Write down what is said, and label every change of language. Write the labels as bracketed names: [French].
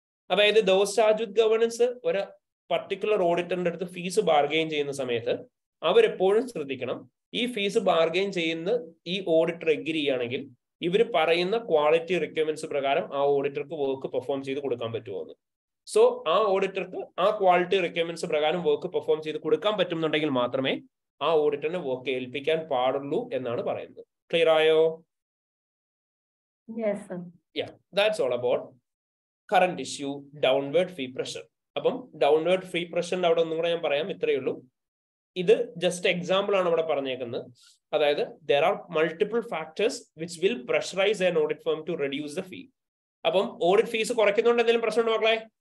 [Malayalam] അതായത് those charge with governance ഒരു particular ഓഡിറ്ററിന്റെ അടുത്ത് ഫീസ് ബാർഗെയിൻ ചെയ്യുന്ന സമയത്ത് അവരെപ്പോഴും ശ്രദ്ധിക്കണം, ഈ ഫീസ് ബാർഗെയിൻ ചെയ്യുന്ന ഈ ഓഡിറ്റർ എഗ്രി ആണെങ്കിൽ ഇവർ പറയുന്ന ക്വാളിറ്റി റിക്വയർമെന്റ്സ് പ്രകാരം ആ ഓഡിറ്റർക്ക് വർക്ക് പെർഫോം ചെയ്ത് കൊടുക്കാൻ പറ്റുമോ എന്ന്. സോ ആ ഓഡിറ്റർക്ക് ആ ക്വാളിറ്റി റിക്വയർമെന്റ്സ് പ്രകാരം വർക്ക് പെർഫോം ചെയ്ത് കൊടുക്കാൻ പറ്റുന്നുണ്ടെങ്കിൽ മാത്രമേ ആ ഓഡിറ്ററിനെ വർക്ക് ഏൽപ്പിക്കാൻ പാടുള്ളൂ എന്നാണ് പറയുന്നത്. ക്ലിയർ ആയോ? [English] Yes, sir. Yeah, that's all about current issue, downward free pressure. [Malayalam] അപ്പം ഡൗൺവേർഡ് ഫ്രീ പ്രഷർ അവിടെ ഒന്നും കൂടെ ഞാൻ പറയാം, ഇത്രയേ ഉള്ളൂ. ഇത് ജസ്റ്റ് എക്സാമ്പിൾ ആണ് ഇവിടെ പറഞ്ഞേക്കുന്നത്. [English] അതായത് there are multiple factors which will pressurise an audit firm to reduce the fee. [Malayalam] അപ്പം ഓഡിറ്റ് ഫീസ് കുറയ്ക്കുന്നതുകൊണ്ട് എന്തെങ്കിലും പ്രശ്നമുണ്ടോ മക്കളെ?